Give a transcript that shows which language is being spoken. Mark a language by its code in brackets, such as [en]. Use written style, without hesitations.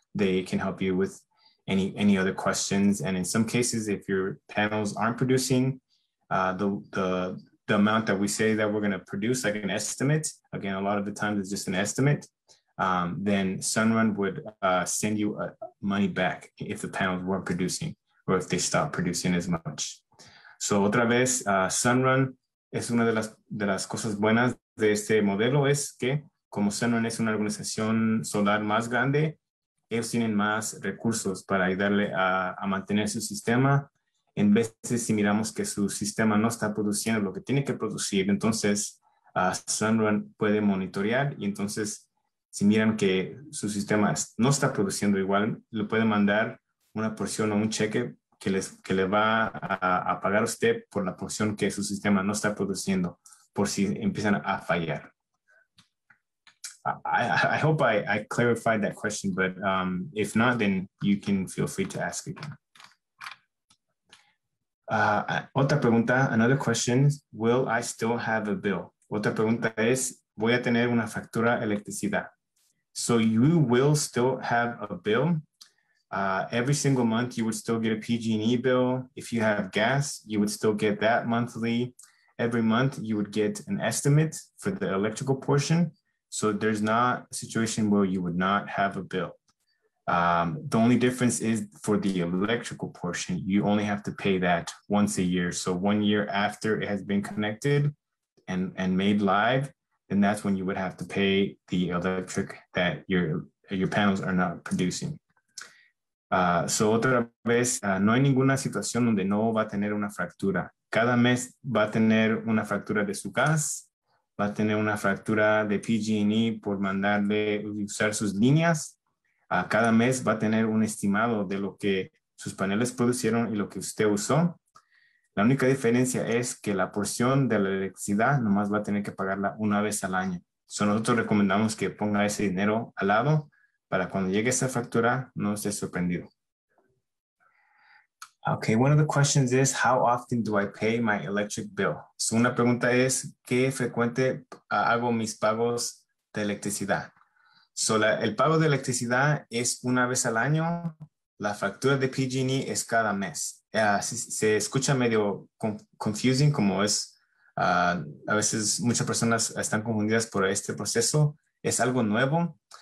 [en] They can help you with any other questions. And in some cases, if your panels aren't producing the amount that we say that we're going to produce, like an estimate, again, a lot of the times it's just an estimate, then Sunrun would send you money back if the panels weren't producing or if they stopped producing as much. [es] So otra vez, Sunrun es una de las cosas buenas de este modelo es que como Sunrun es una organización solar más grande, ellos tienen más recursos para ayudarle a mantener su sistema. En veces, si miramos que su sistema no está produciendo lo que tiene que producir, entonces Sunrun puede monitorear. Y entonces, si miran que su sistema no está produciendo igual, le puede mandar una porción o un cheque que le va a pagar a usted por la porción que su sistema no está produciendo, por si empiezan a fallar. [en] I hope I clarified that question, but if not, then you can feel free to ask again. [es] Otra pregunta, [en] another question, will I still have a bill? Otra pregunta es, ¿voy a tener una factura electricidad? So you will still have a bill. Every single month, you would still get a PG&E bill. If you have gas, you would still get that monthly. Every month, you would get an estimate for the electrical portion. So there's not a situation where you would not have a bill. The only difference is for the electrical portion, you only have to pay that once a year. So 1 year after it has been connected and made live, then that's when you would have to pay the electric that your panels are not producing. [es] So otra vez, no hay ninguna situación donde no va a tener una fractura. Cada mes va a tener una fractura de su gas, va a tener una fractura de PG&E por mandarle usar sus líneas. Cada mes va a tener un estimado de lo que sus paneles produjeron y lo que usted usó. La única diferencia es que la porción de la electricidad nomás va a tener que pagarla una vez al año. So nosotros recomendamos que ponga ese dinero al lado para cuando llegue esa factura no esté sorprendido. [en] Okay, one of the questions is, how often do I pay my electric bill? [es] So una pregunta es, ¿qué frecuente hago mis pagos de electricidad? So el pago de electricidad es una vez al año, la factura de PG&E es cada mes. Se escucha medio confusing, como es, a veces muchas personas están confundidas por este proceso, es algo nuevo.